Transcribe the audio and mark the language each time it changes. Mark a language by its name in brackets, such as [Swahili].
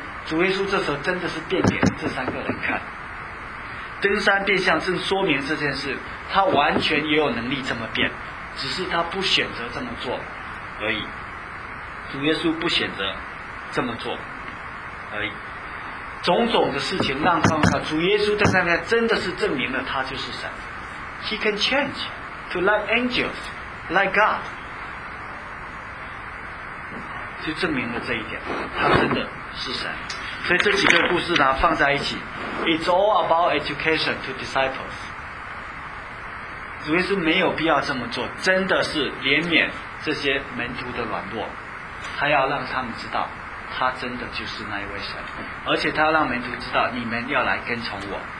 [Chinese] 主耶稣这时候真的是变给这三个人看。登山变相正说明这件事，他完全也有能力这么变，只是他不选择这么做而已。主耶稣不选择这么做而已。种种的事情让他们，主耶稣登山变相真的是证明了他就是神。 [English] He can change to like angels, like God, [Chinese] 就证明了这一点，他真的是神。所以这几个故事呢放在一起， [English] It's all about education to disciples。 [Chinese] 主耶稣没有必要这么做，真的是怜悯这些门徒的软弱，他要让他们知道他真的就是那一位神，而且他要让门徒知道你们要来跟从我。